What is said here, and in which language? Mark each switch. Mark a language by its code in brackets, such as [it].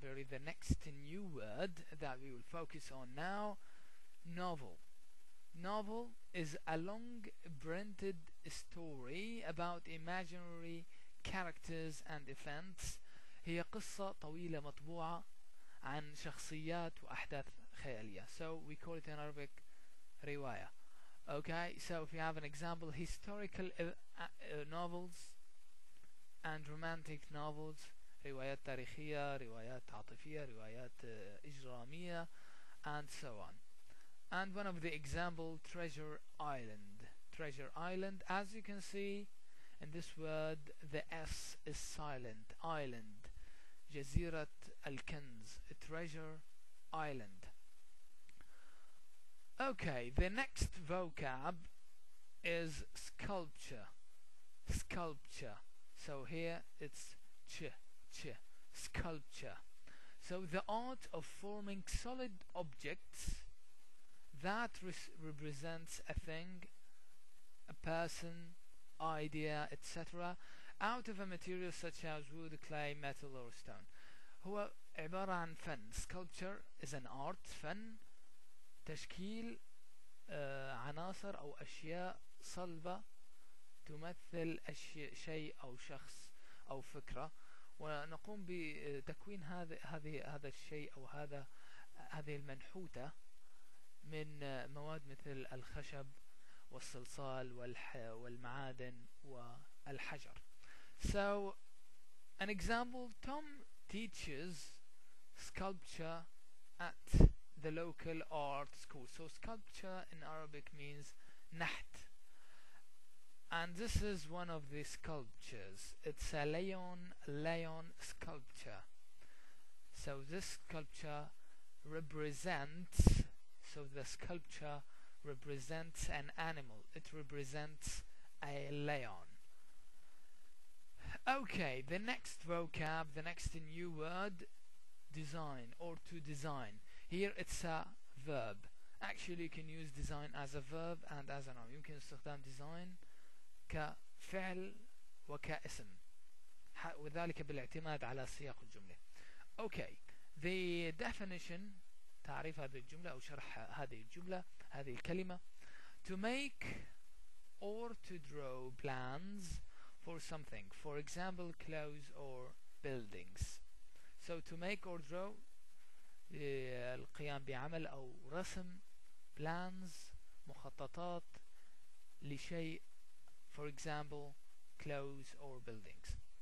[en] The next new word that we will focus on now, novel. Novel is a long printed story about imaginary characters and events. [ar] هي قصة طويلة مطبوعة عن شخصيات وأحداث خيالية. [en] So we call it in Arabic رواية. Okay, so if you have an example, historical novels and romantic novels, [ar] روايات تاريخية, روايات عاطفية, روايات إجرامية, [en] and so on. And one of the examples, Treasure Island. Treasure Island, as you can see, in this word, the S is silent. Island. [ar] جزيرة الكنز. [en] Treasure Island. Okay, the next vocab is sculpture. Sculpture. So here it's ch, sculpture. So the art of forming solid objects that represents a thing, a person, idea, etc. out of a material such as wood, clay, metal or stone. [ar] هو عبارة عن فن. [en] Sculpture is an art, [ar] فن, تشكيل عناصر أو أشياء صلبة تمثل شيء أو شخص أو فكرة, ونقوم بتكوين هذا الشيء أو هذه المنحوتة من مواد مثل الخشب والصلصال والمعادن والحجر. [en] So an example, Tom teaches sculpture at the local art school. So sculpture in Arabic means نحت. And this is one of the sculptures. It's a lion sculpture. So this sculpture represents, so the sculpture represents an animal. It represents a lion. Okay, the next vocab, the next new word, design, or to design. Here it's a verb. Actually, you can use design as a verb and as a noun. You can use design كفعل [ar] وكاسم وذلك بالاعتماد على سياق الجملة. [en] Okay, the definition, [ar] تعريف هذه الجملة أو شرح هذه الجملة هذه الكلمة, [en] to make or to draw plans for something, for example clothes or buildings. So to make or draw, [ar] القيام بعمل أو رسم, [en] plans, [ar] مخططات لشيء, [en] for example clothes or buildings.